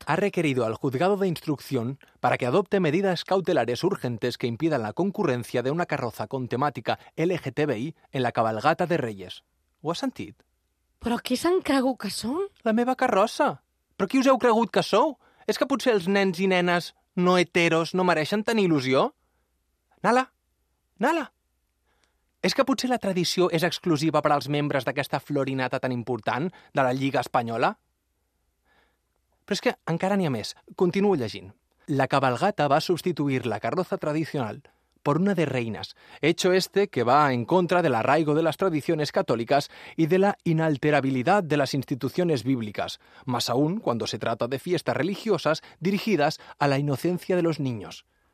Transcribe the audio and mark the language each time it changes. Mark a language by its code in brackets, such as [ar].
[es] ha requerido al juzgado de instrucción para que adopte medidas cautelares urgentes que impidan la concurrencia de una carroza con temática LGTBI en la cabalgata de Reyes. [ca] Ho has sentit? Però qui s'han cregut que són? La meva carrossa. Però qui us heu cregut que sou? És que potser els nens i nenes no heteros no mereixen tenir il·lusió? Nala, Nala. És que potser la tradició és exclusiva per als membres d'aquesta florinata tan important de la Lliga Espanyola? Però és que encara n'hi ha més. Continuo llegint. [es] La cabalgata va substituir la carroza tradicional por una de reinas, hecho este que va en contra del arraigo de las tradiciones católicas y de la inalterabilidad de las instituciones bíblicas, más aún cuando se trata de fiestas religiosas dirigidas a la inocencia de los niños.